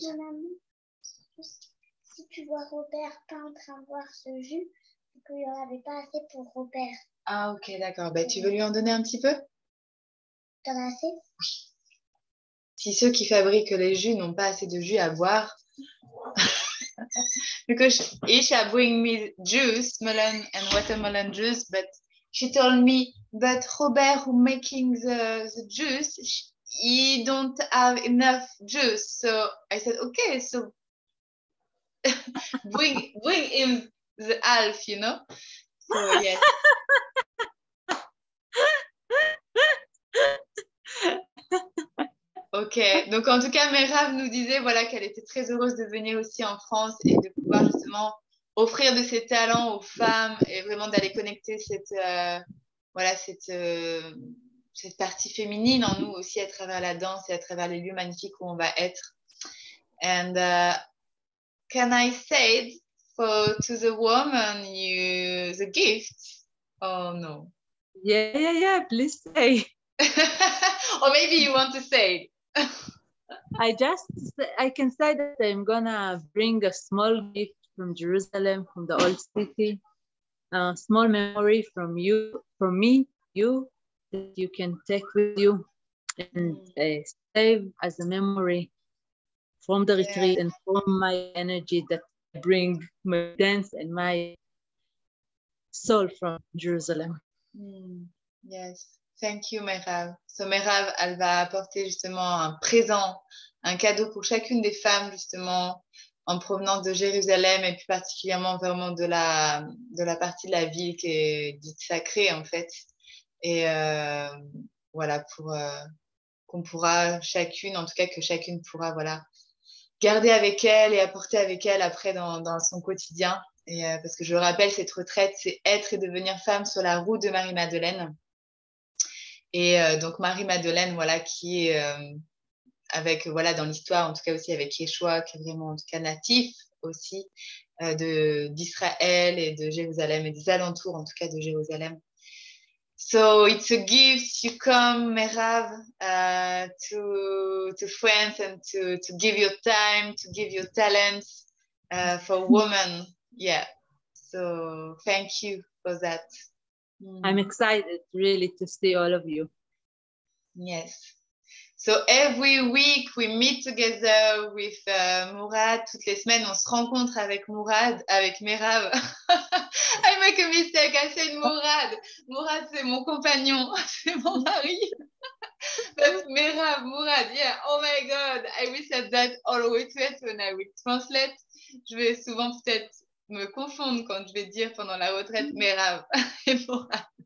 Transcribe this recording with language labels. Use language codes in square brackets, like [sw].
[fr] Mon ami, si tu vois Robert peindre un voir ce jus, c'est qu'il n'y en avait pas assez pour Robert. Ah, ok, d'accord. Ben, tu veux lui en donner un petit peu? T'en as assez? Oui. Si ceux qui fabriquent les jus n'ont pas assez de jus à boire... [en] Because he shall bring me juice, melon and watermelon juice, but she told me that Robert who making the juice, he don't have enough juice. So I said, okay, so bring him the half, you know? So yes. [fr] Ok, donc en tout cas, Merav nous disait voilà, qu'elle était très heureuse de venir aussi en France et de pouvoir justement offrir de ses talents aux femmes et vraiment d'aller connecter cette partie féminine en nous aussi à travers la danse et à travers les lieux magnifiques où on va être. [en] And can I say for to the woman you the gift? Oh no. Yeah, yeah, yeah, please say. Or maybe you want to say. I can say that I'm gonna bring a small gift from Jerusalem, from the old city, a small memory from you, from me, you, that you can take with you and save as a memory from the retreat and from my energy that bring my dance and my soul from Jerusalem. Mm. Yes, thank you, Merav. [fr] So Merav, elle va apporter justement un présent, un cadeau pour chacune des femmes justement en provenance de Jérusalem et plus particulièrement vraiment de la partie de la ville qui est dite sacrée en fait. Et voilà, pour qu'on pourra chacune, en tout cas que chacune pourra voilà garder avec elle et apporter avec elle après dans son quotidien. Et parce que je rappelle, cette retraite, c'est être et devenir femme sur la route de Marie-Madeleine. Et donc Marie-Madeleine, voilà, qui est avec, voilà, dans l'histoire, en tout cas aussi avec Yeshua, qui est vraiment en tout cas natif aussi d'Israël et de Jérusalem et des alentours, en tout cas de Jérusalem. [en] So it's a gift you come, Merav, to France and to give your time, to give your talents for women. Yeah. So thank you for that. I'm excited really to see all of you. Yes. So every week we meet together with Mourad. [fr] Toutes les semaines on se rencontre avec Mourad, avec Merav. [en] I make a mistake, I said Mourad. Mourad [fr] c'est mon compagnon, c'est mon mari. [en] But Merav, Mourad, yeah, oh my god, I wish that always when I would translate. [fr] Je vais souvent peut-être me confondre quand je vais dire pendant la retraite Merav et Mourad.